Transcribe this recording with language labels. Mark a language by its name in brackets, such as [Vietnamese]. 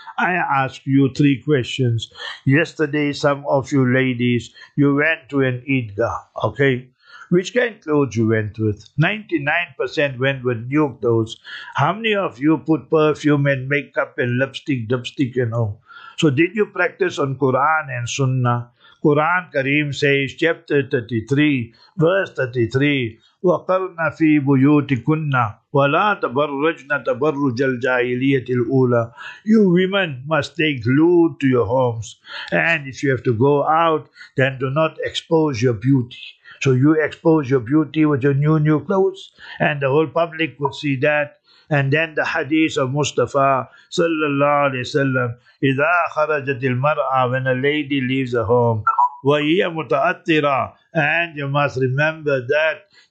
[English] I ask you 3 questions. Yesterday, some of you ladies, you went to an Eidgah, okay? Which kind of clothes you went with? 99% went with new clothes. How many of you put perfume and makeup and lipstick, you know? So did you practice on Quran and Sunnah? Quran Kareem says, chapter 33, verse 33, [Arabic] وَقَرْنَ فِي بُيُوتِكُنَّ وَلَا تَبَرَّجْنَ تَبَرُّجَ الْجَاهِلِيَّةِ الْأُولَى. [English] You women must stay glued to your homes. And if you have to go out, then do not expose your beauty. So you expose your beauty with your new clothes, and the whole public will see that. And then the hadith of Mustafa sallallahu alayhi wa sallam, [Arabic] إِذَا خَرَجَتِ الْمَرْأَى, [English] when a lady leaves a home, [Arabic] وَهِيَ مُتَأَثِّرًا, [English] and you must remember that